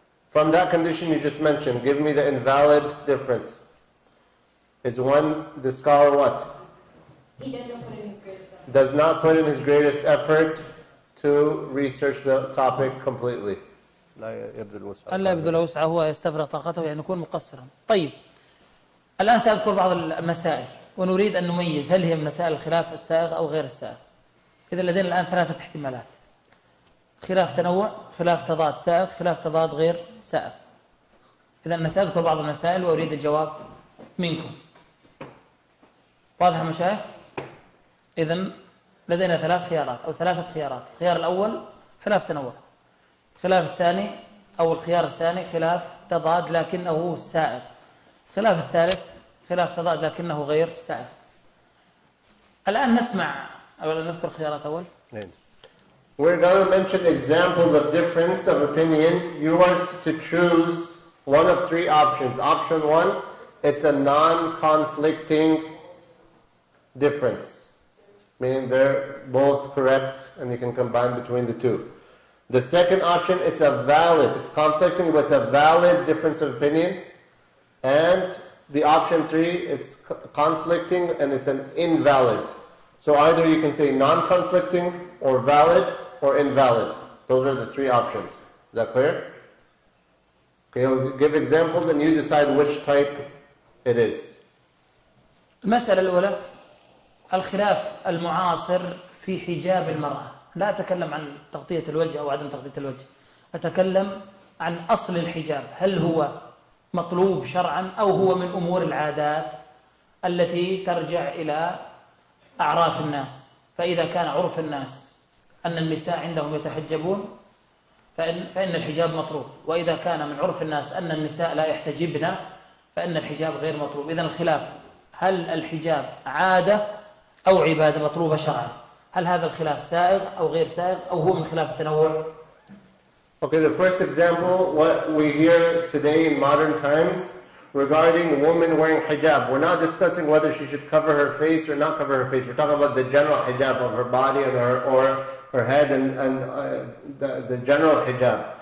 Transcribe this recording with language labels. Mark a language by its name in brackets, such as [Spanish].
[English] From that condition you just mentioned, give me the invalid difference. Is when the scholar what? He doesn't put in his greatest. Does not put in his greatest effort to research the topic completely. [Arabic] لا يبذل وسعه هو يستفرغ طاقته يعني يكون مقصرا. طيب. الآن سأذكر بعض المسائل ونريد أن نميز هل هي مسائل الخلاف السائغ أو غير السائغ إذا لدينا الآن ثلاثة احتمالات خلاف تنوع خلاف تضاد سائغ خلاف تضاد غير سائغ إذا أنا سأذكر بعض المسائل وأريد الجواب منكم واضح مشايخ إذا لدينا ثلاث خيارات أو ثلاثة خيارات الخيار الأول خلاف تنوع الخلاف الثاني أو الخيار الثاني خلاف تضاد لكنه سائغ خلاف الثالث خلاف تضاد لكنه غير سائغ الآن نسمع أو نذكر خيارات أول [English] We're going to mention examples of difference of opinion You are to choose one of three options Option one, it's a non-conflicting difference Meaning they're both correct and you can combine between the two The second option, it's a valid It's conflicting but it's a valid difference of opinion And the option three, it's conflicting and it's an invalid. So either you can say non-conflicting or valid or invalid. Those are the three options. Is that clear? Okay, I'll give examples and you decide which type it is. [Arabic] المسألة الأولى الخلاف المعاصر في حجاب المرأة. لا أتكلم عن تغطية الوجه أو عدم تغطية الوجه. أتكلم عن أصل الحجاب. هل هو مطلوب شرعا أو هو من أمور العادات التي ترجع إلى أعراف الناس فإذا كان عرف الناس أن النساء عندهم يتحجبون فإن الحجاب مطلوب وإذا كان من عرف الناس أن النساء لا يحتجبن فإن الحجاب غير مطلوب إذن الخلاف هل الحجاب عادة أو عبادة مطلوبة شرعا هل هذا الخلاف سائغ أو غير سائغ أو هو من خلاف التنوع [English] Okay, the first example, what we hear today in modern times regarding women wearing hijab. We're not discussing whether she should cover her face or not cover her face. We're talking about the general hijab of her body and her head and the general hijab.